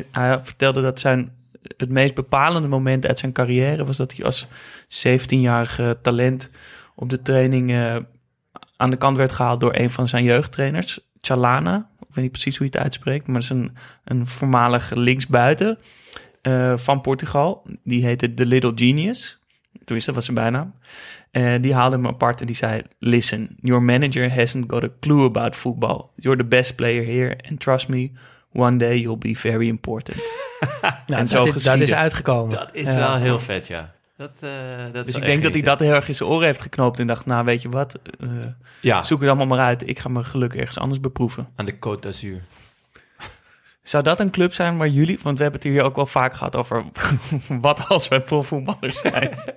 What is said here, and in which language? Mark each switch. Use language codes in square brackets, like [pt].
[nl] Hij vertelde dat het meest bepalende moment uit zijn carrière was dat hij als 17-jarige talent op de training aan de kant werd gehaald door een van zijn jeugdtrainers, Chalana. Ik weet niet precies hoe je het uitspreekt, maar dat is een voormalig linksbuiten van Portugal. Die heette The Little Genius. Tenminste, dat was zijn bijnaam. Die haalde hem apart en die zei, [en] listen, your manager hasn't got a clue about football. You're the best player here and trust me, one day you'll be very important. [nl] Nou, en dat is uitgekomen. Dat is wel heel vet, ja. Dat dus ik denk dat hij dat heel erg in zijn oren heeft geknoopt en dacht, weet je wat, zoek het allemaal maar uit. Ik ga mijn geluk ergens anders beproeven. Aan de Côte d'Azur. Zou dat een club zijn waar jullie, want we hebben het hier ook wel vaak gehad over wat als wij profvoetballers zijn.